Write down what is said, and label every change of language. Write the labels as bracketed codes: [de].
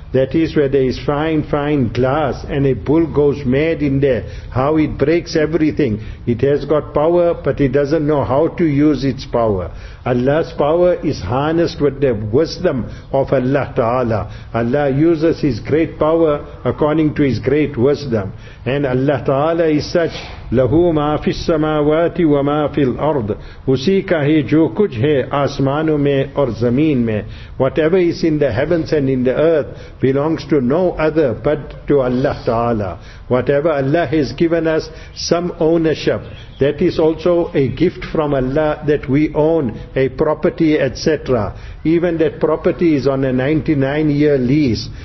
[en] That is where there is fine glass and a bull goes mad in there. How it breaks everything. It has got power, but it doesn't know how to use its power. Allah's power is harnessed with the wisdom of Allah Ta'ala. Allah uses His great power according to His great wisdom. And Allah Ta'ala is such, [ar] لَهُ مَا فِي السَّمَاوَاتِ وَمَا فِي الْأَرْضِ [ur] اُسی کا ہے جو کچھ ہے آسمانوں میں اور زمین میں. [en] Whatever is in the heavens and in the earth belongs to no other but to Allah Ta'ala. Whatever Allah has given us, some ownership, that is also a gift from Allah, that we own a property, etc. Even that property is on a 99-year lease.